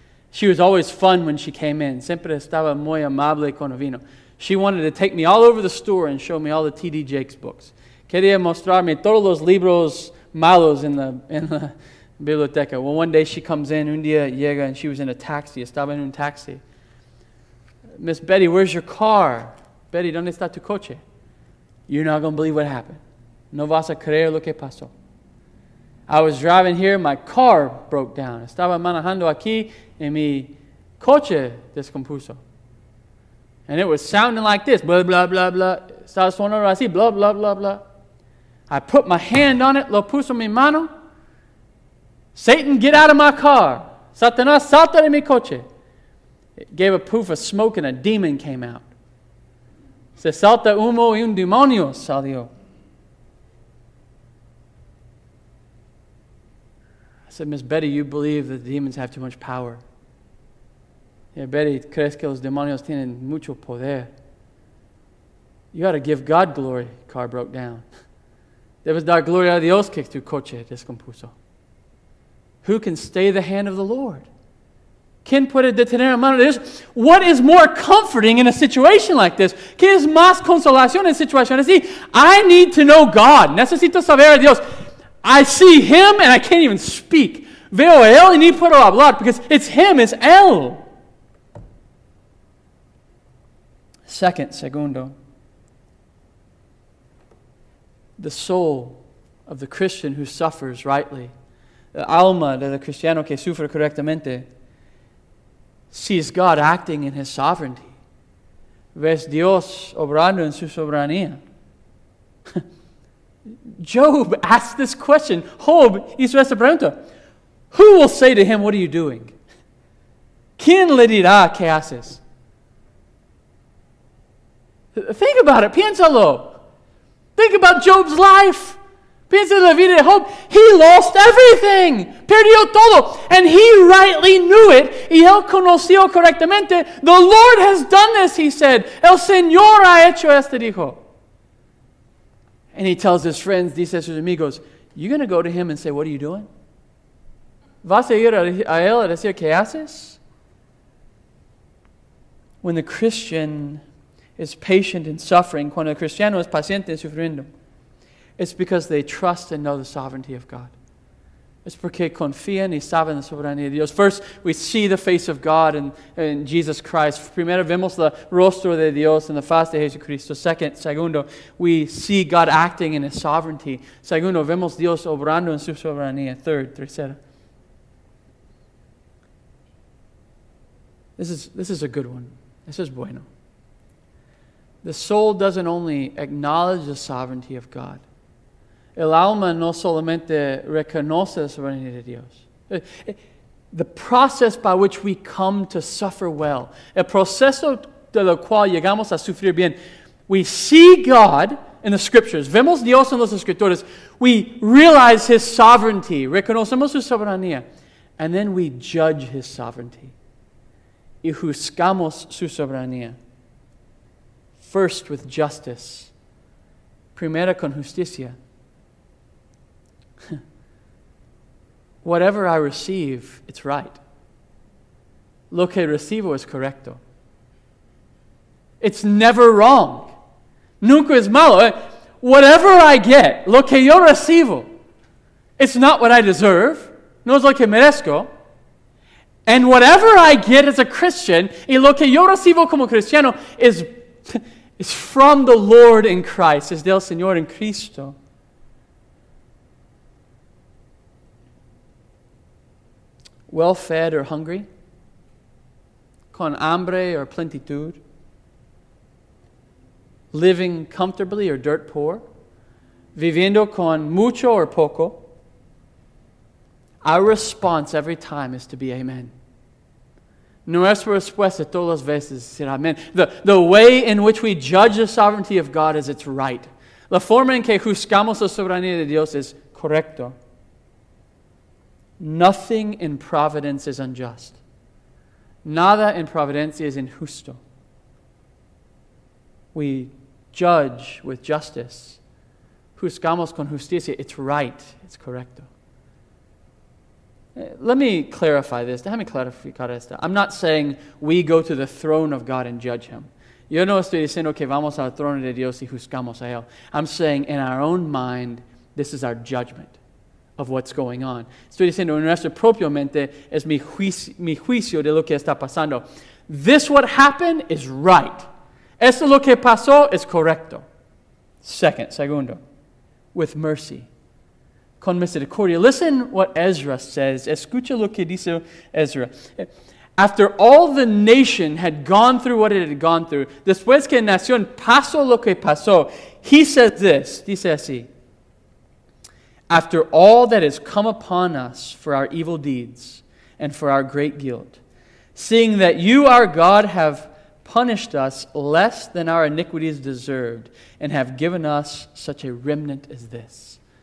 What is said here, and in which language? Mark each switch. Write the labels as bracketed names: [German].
[English] She was always fun when she came in. [Spanish] Siempre estaba muy amable cuando vino. [English] She wanted to take me all over the store and show me all the T.D. Jakes books. [Spanish] Quería mostrarme todos los libros malos en la biblioteca. [English] Well, one day she comes in, [Spanish] un día llega, [English] and she was in a taxi. [Spanish] Estaba en un taxi. [English] Miss Betty, where's your car? [Spanish] Betty, ¿dónde está tu coche? [English] You're not going to believe what happened. [Spanish] No vas a creer lo que pasó. [English] I was driving here, my car broke down. [Spanish] Estaba manejando aquí, y mi coche descompuso. [English] And it was sounding like this, blah, blah, blah, blah. [Spanish] Estaba sonando así, blah, blah, blah, blah. [English] I put my hand on it, [Spanish] lo puso mi mano. [English] Satan, get out of my car. [Spanish] Satanás, salta de mi coche. [English] It gave a poof of smoke, and a demon came out. [Spanish] Se salta humo y un demonio salió. [English] I said, Miss Betty, you believe that the demons have too much power. [Spanish] Yeah, Betty, ¿crees que los demonios tienen mucho poder? [English] You ought to give God glory. Car broke down. [Spanish] Debes dar gloria a Dios que tu coche descompuso. [English] Who can stay the hand of the Lord? [Spanish] ¿Quién puede detener la mano de Dios? [English] What is more comforting in a situation like this? [Spanish] ¿Qué es más consolación en situaciones así? [English] I need to know God. [Spanish] Necesito saber a Dios. [English] I see Him and I can't even speak. [Spanish] Veo a Él y ni puedo hablar [English] because it's Him, it's [Spanish] Él. Segundo. [English] The soul of the Christian who suffers rightly, the [Spanish] alma del cristiano que sufre correctamente, [English] sees God acting in His sovereignty. [Spanish] Ves Dios obrando en su soberanía. [English] Job asked this question. [Spanish] Job hizo esta pregunta. [English] Who will say to him, what are you doing? [Spanish] ¿Quién le dirá qué haces? [English] Think about it. [Spanish] Piénsalo. [English] Think about Job's life. [Spanish] Piensa la vida de Job. [English] He lost everything. [Spanish] Perdió todo. [English] And he rightly knew it. [Spanish] Y él conoció correctamente. [English] The Lord has done this, he said. [Spanish] El Señor ha hecho esto, dijo. [English] And he tells his friends, [Spanish] dice a sus amigos, [English] you're going to go to him and say, what are you doing? [Spanish] ¿Vas a ir a él a decir qué haces? [English] When the Christian is patient in suffering, [Spanish] cuando el cristiano es paciente en sufrimiento, [English] It's because they trust and know the sovereignty of God. [Spanish] Es porque confían y saben la soberanía de Dios. [English] First, we see the face of God in Jesus Christ. [Spanish] Primero, vemos el rostro de Dios en la faz de Jesucristo. Segundo, [English] we see God acting in His sovereignty. [Spanish] Segundo, vemos Dios obrando en su soberanía. Tercero. [English] This is a good one. This is bueno. The soul doesn't only acknowledge the sovereignty of God. [Spanish] El alma no solamente reconoce la soberanía de Dios. [English] The process by which we come to suffer well, [Spanish] el proceso de lo cual llegamos a sufrir bien, [English] we see God in the Scriptures. [Spanish] Vemos Dios en las Escrituras. [English] We realize His sovereignty. [Spanish] Reconocemos su soberanía. [English] And then we judge His sovereignty. [Spanish] Y juzgamos su soberanía. [English] First with justice. [Spanish] Primera con justicia. [English] Whatever I receive, it's right. [Spanish] Lo que recibo es correcto. [English] It's never wrong. [Spanish] Nunca es malo. [English] Whatever I get, [Spanish] lo que yo recibo, [English] it's not what I deserve. [Spanish] No es lo que merezco. [English] And whatever I get as a Christian, [Spanish] y lo que yo recibo como cristiano, [English] is from the Lord in Christ. [Spanish] Es del Señor en Cristo. [English] Well-fed or hungry, [Spanish] con hambre [English] or plenitud, living comfortably or dirt poor, [Spanish] viviendo con mucho [English] or poco, our response every time is to be amen. [Spanish] Nuestra respuesta todas las veces será amen. [English] The way in which we judge the sovereignty of God is it's right. [Spanish] La forma en que juzgamos la soberanía de Dios es correcto. [English] Nothing in providence is unjust. [Spanish] Nada en providencia es injusto. [English] We judge with justice. [Spanish] Juzgamos con justicia. [English] It's right. It's correcto. Let me clarify this. [Spanish] Déjame clarificar esto. [English] I'm not saying we go to the throne of God and judge Him. [Spanish] Yo no estoy diciendo que vamos al trono de Dios y juzgamos a Él. [English] I'm saying in our own mind, this is our judgment of what's going on. [Spanish] Estoy diciendo en nuestra propia mente es mi juicio de lo que está pasando. [English] This what happened is right. [Spanish] Esto lo que pasó es correcto. Segundo, [English] with mercy. [Spanish] Con misericordia. [English] Listen what Ezra says. [Spanish] Escucha lo que dice Ezra. [English] After all the nation had gone through what it had gone through, [Spanish] después que nación pasó lo que pasó, [English] he says this, [Spanish] dice así, [English] after all that has come upon us for our evil deeds and for our great guilt, seeing that you, our God, have punished us less than our iniquities deserved and have given us such a remnant as this.